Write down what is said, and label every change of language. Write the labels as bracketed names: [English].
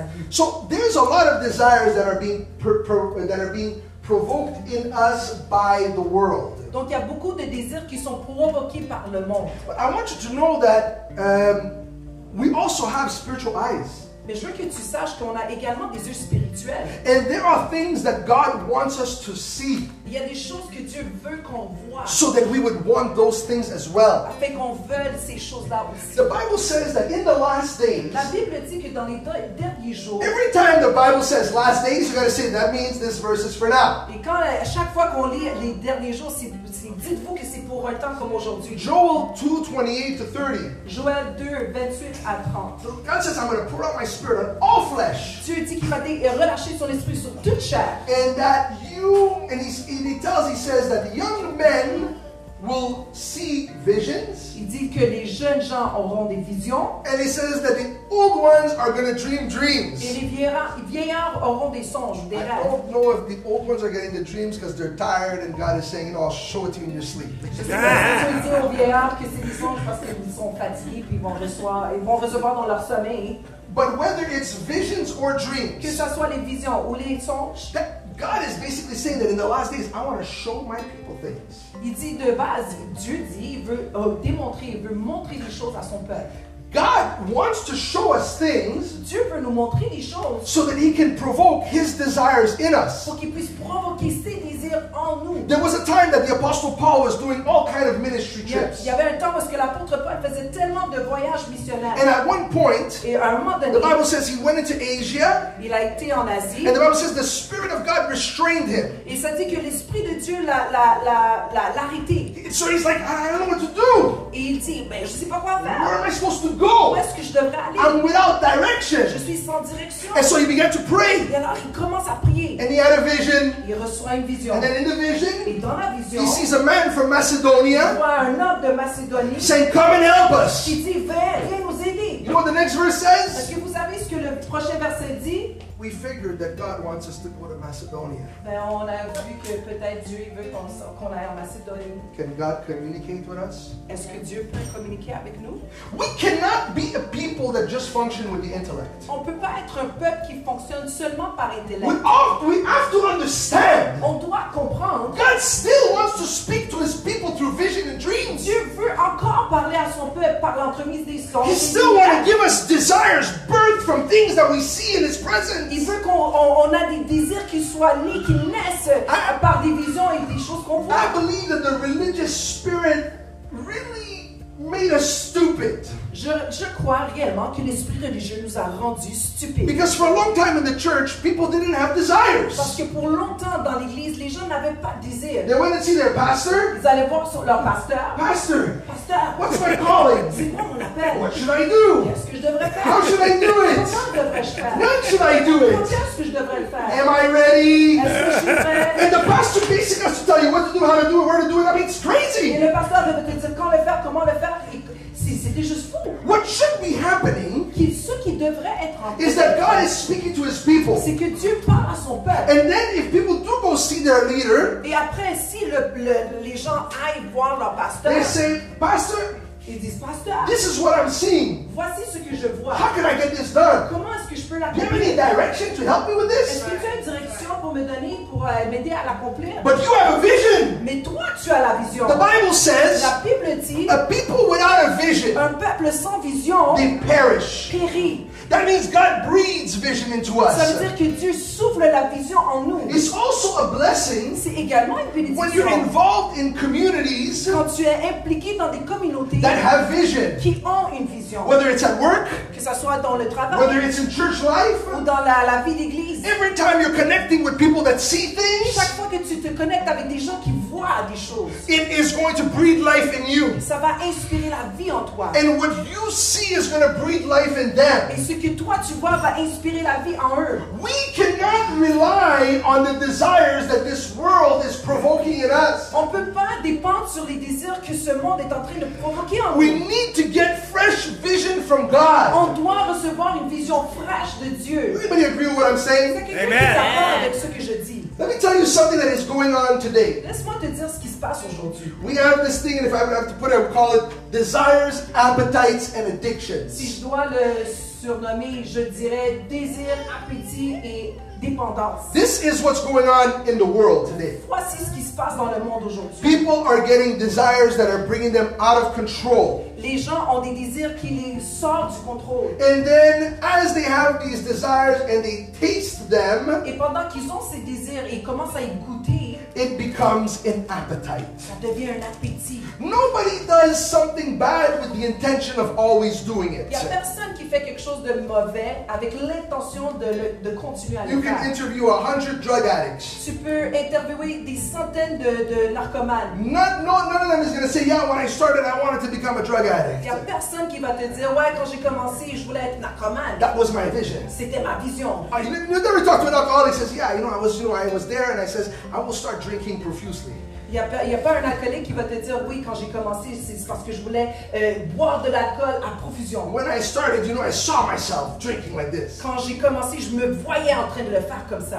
[English] So there's a lot of desires that are being provoked in us by the world. [French] Donc il y a beaucoup de désirs qui sont provoqués par le monde. [English] But I want you to know that we also have spiritual eyes. [French] Mais je veux que tu saches qu'on a également des yeux spirituels. [English] And there are things that God wants us to see. [French] Il y a des choses que Dieu veut qu'on voit. [English] So that we would want those things as well. [French] Afin qu'on veuille ces choses-là aussi. [English] The Bible says that in the last days. [French] La Bible dit que dans les derniers jours. [English] Every time the Bible says last days, you're going to say that means this verse is for now. [French] Et quand à chaque fois qu'on lit les derniers jours, dites-vous que c'est pour un temps comme aujourd'hui. [English] Joel 2:28-30. [French] Joel 2:28-30. [English] God says, I'm going to pour out my spirit on all flesh. [French] Dieu dit qu'il va relâcher son esprit sur toute chair. [English] And that you, and he says that young men will see visions. [French] Il dit que les jeunes gens auront des visions. [English] And he says that the old ones are going to dream dreams. [French] Et les vieillards auront des songes, des rêves. [English] I don't know if the old ones are getting the dreams because they're tired and God is saying, I'll show it to you in your sleep. [French] Je sais pas si tu dis aux vieillards que c'est des songes parce qu'ils sont fatigués puis ils vont recevoir dans leur sommeil. [English] But whether it's visions or dreams, [French] que ça soit les visions ou les songes, [English] that God is basically saying that in the last days, I want to show my people things. [French] Il dit de base, Dieu dit, il veut démontrer, il veut montrer les choses à son peuple. [English] God wants to show us things. [French] Dieu veut nous montrer des choses. [English] So that he can provoke his desires in us. [French] Pour qu'il puisse provoquer ses désirs en nous. [English] There was a time that the Apostle Paul was doing all kinds of ministry trips. [French] Il y avait un temps où l'apôtre Paul faisait tellement de voyages missionnaires. [English] And at one point, [French] et à un moment donné, [English] the Bible says he went into Asia. [French] Il a été en Asie. [English] And the Bible says the Spirit of God restrained him. [French] Et ça dit que l'Esprit de Dieu l'a arrêté. [English] So he's like, I don't know what to do. [French] Et il dit, mais je sais pas quoi faire. [English] Where am I supposed to go? [French] Où est-ce que je devrais aller? [English] I'm without direction. [French] Je suis sans direction. [English] And so he began to pray. [French] Et alors il commence à prier. [English] And he had a vision. [French] Il reçoit une vision. [English] And then in the vision, [French] et dans la vision, [English] he sees a man from Macedonia. [French] Il voit un homme de Macédonie. [English] Saying, come and help us. [French] Il dit, viens nous aider. [English] You know what the next verse says? [French] Est-ce que vous savez ce que le prochain verset dit? [English] We figured that God wants us to go to Macedonia. [French] Ben, on a vu que peut-être Dieu veut qu'on aille en Macédonie. [English] Can God communicate with us? [French] Est-ce que Dieu peut communiquer avec nous? [English] We cannot be a people that just function with the intellect. [French] On peut pas être un peuple qui fonctionne seulement par intellect. [English] We have to understand. [French] On doit comprendre. [English] God still wants to speak to his people through vision and dreams. [French] Dieu veut encore parler à son peuple par l'entremise des songes. [English] He still wants to give us desires birthed from things that we see in his presence. [French] Il veut qu'on a des désirs qui soient nés, qui naissent par des visions et des choses qu'on voit. [English] I believe that the religious spirit really made us stupid. [French] Je crois réellement que l'esprit religieux nous a rendus stupides. [English] Because for a long time in the church, people didn't have desires. [French] Parce que pour longtemps dans l'église, les gens n'avaient pas de désirs. [English] They went to see their pastor. [French] Ils allaient voir sur leur pasteur. [English] Pastor. [French] Pasteur. [English] What's my calling? [French] C'est quoi mon appel? [English] What should I do? [French] Qu'est-ce que je devrais faire? [English] How should I do it? [French] Comment devrais-je faire? [English] When should I do it? [French] Quand est-ce que je devrais le faire? [English] Am I ready? [French] Est-ce que je suis prêt? [English] And the pastor basically has to tell you what to do, how to do it, where to do it. I mean, it's crazy. [French] Et le pasteur devait te dire quand le faire, comment le faire. C'était juste fou. [English] What should be happening [French] qui devrait être en [English] is that God is speaking to his people. [French] C'est que Dieu parle à son peuple. [English] And then if people do go see their leader, [French] et après si les gens aillent voir leur pasteur, [English] they say, pastor, [French] ils disent, pasteur, [English] this is what I'm seeing. [French] Voici ce que je vois. [English] How can I get this done? [French] Comment est-ce que je peux l'accomplir? [English] Give me any direction to help me with this? [French] Est-ce que tu as une direction pour me donner pour m'aider à l'accomplir? [English] But you have a vision. [French] Mais toi, tu as la vision. [English] The Bible says. [French] La Bible dit. [English] A people without a vision. [French] Un peuple sans vision. [English] They perish. [French] Périt. [English] That means God breathes vision into us. [French] Ça veut dire que Dieu souffle la vision en nous. [English] It's also a blessing. [French] C'est également une bénédiction. [English] When you're involved in communities. [French] Quand tu es impliqué dans des communautés. [English] That have vision. [French] Qui ont une vision. vision. [English] Whether it's at work, [French] que ça soit dans le travail, [English] whether it's in church life, [French] ou dans la vie d'église. [English] Every time you're connecting with people that see things, [French] chaque fois que tu te connectes avec des gens qui voient des choses, [English] it is going to breathe life in you. [French] Ça va inspirer la vie en toi. [English] And what you see is going to breathe life in them. [French] Et ce que toi tu vois va inspirer la vie en eux. [English] We cannot rely on the desires that this world is provoking in us. [French] On peut pas dépendre sur les désirs que ce monde est en train de provoquer en nous. [English] We need to get fresh vision from God. [French] On doit recevoir une vision fraîche de Dieu. [English] Anybody agree with what I'm saying? [French] Amen. [English] Let me tell you something that is going on today. [French] Laisse-moi te dire ce qui se passe aujourd'hui. [English] We have this thing, and if I would have to put it, I would call it desires, appetites, and addictions. [French] Si je dois le surnommer, je dirais désir, appétit et dépendance. [English] This is what's going on in the world today. [French] Voici ce qui se passe dans le monde aujourd'hui. [English] People are getting desires that are bringing them out of control. [French] Les gens ont des désirs qui les sortent du contrôle. [English] And then, as they have these desires and they taste them, [French] et pendant qu'ils ont ces désirs et commencent à y goûter, [English] it becomes an appetite. [French] Ça devient un appétit. [English] Nobody does something bad with the intention of always doing it. [French] Il y a personne qui fait quelque chose de mauvais avec l'intention de continuer à le faire. [English] You can interview 100 drug addicts. [French] Tu peux interviewer des centaines de narcomanes. [English] None of them is going to say, yeah, when I started, I wanted to become a drug addict. [French] Il y a personne qui va te dire, ouais, quand j'ai commencé, je voulais être narcomane. [English] That was my vision. [French] C'était ma vision. [English] You never talk to an alcoholic. Says, yeah, I was there, and I says, I will start drinking profusely. [French] Il y a pas un alcoolique qui va te dire oui quand j'ai commencé c'est parce que je voulais boire de l'alcool à profusion. [English] When I started, you know, I saw myself drinking like this. [French] Quand j'ai commencé, je me voyais en train de le faire comme ça.